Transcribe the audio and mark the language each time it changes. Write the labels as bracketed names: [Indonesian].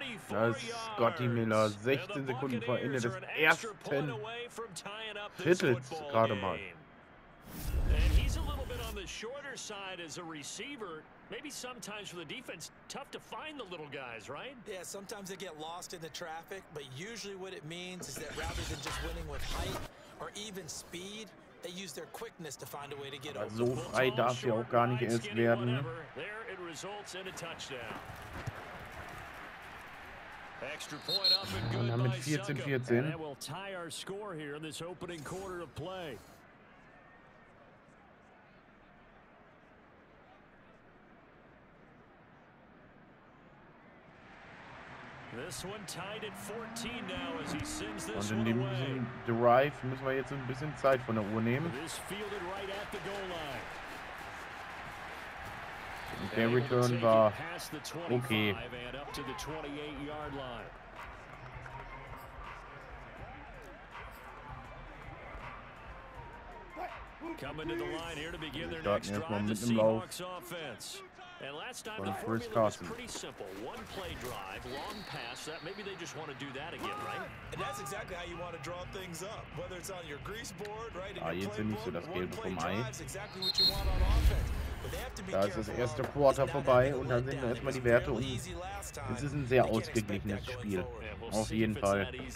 [German] Das ist Scotty Miller, 16 Sekunden vor Ende des ersten Viertels gerade mal. [English] And he's a little bit on the shorter side as a receiver, maybe sometimes for the defense, tough to find the little guys, right? Yeah, sometimes they get lost in the traffic, but usually what it means is that rather than just winning with height or even speed, they use their quickness to find a way to get open. [German] So frei darf sie auch gar nicht erst werden. [English] There it results in a touchdown. Extra point up and good. [German] Und damit 14-14. [English] That will tie our score here in this opening quarter of play. This one tied at 14 now as he sends this one away. [German] Und in dem Drive müssen wir jetzt ein bisschen Zeit von der Uhr nehmen. [English] This fielded right at the goal line. [German] Der Return war okay. [English] And up to the 28-yard line. Coming to the line here to begin their next drive, the Seahawks offense. And last time the formula was pretty simple. One play drive, long pass, that maybe they just want to do that again, right? And that's exactly how you want to draw things up. Whether it's on your grease board, right, in your playbook, one play drive is exactly what you want on offense. [German] Da ist das erste Quarter vorbei und dann sehen wir erstmal die Werte und es ist ein sehr ausgeglichenes Spiel, auf jeden Fall.